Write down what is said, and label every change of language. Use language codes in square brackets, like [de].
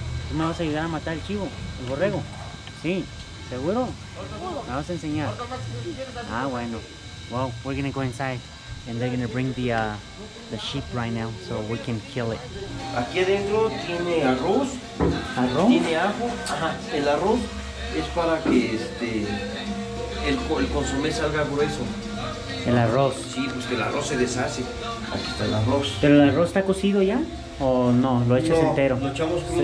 [es] ¿Tú me vas a ayudar a matar el chivo, el borrego? Sí, ¿seguro? ¿Me vas a enseñar? Ah, bueno. [en] Well, we're gonna go inside and they're gonna bring the sheep right now so we can kill it. [es] Aquí adentro tiene arroz. ¿Arroz? Tiene ajo. Ajá, el arroz es para que el consomé salga grueso. ¿El arroz? Sí, pues que el arroz se deshace. Aquí está el arroz. ¿Pero el arroz está cocido ya? ¿O no? ¿Lo echas no, entero? Lo echamos crudo.